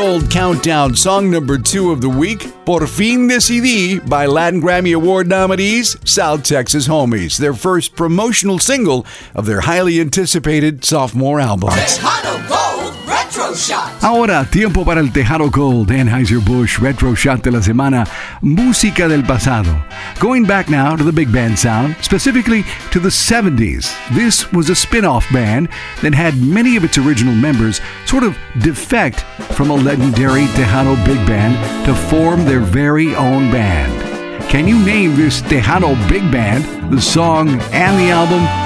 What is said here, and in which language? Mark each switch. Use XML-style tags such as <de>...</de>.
<en>Countdown song number two of the week, Por Fin Decidí, by Latin Grammy Award nominees South Texas Homies, their first promotional single of their highly anticipated sophomore album. Tejano Gold Retro Shot.</en> <es>Ahora, tiempo para el Tejano Gold Anheuser-Busch Retro Shot de la Semana, Música del Pasado.</es> <en>Going back now to the big band sound, specifically to the 70s, this was a spin-off band that had many of its original members sort of defect from a legendary Tejano big band to form their very own band. Can you name this Tejano big band, the song and the album?</en>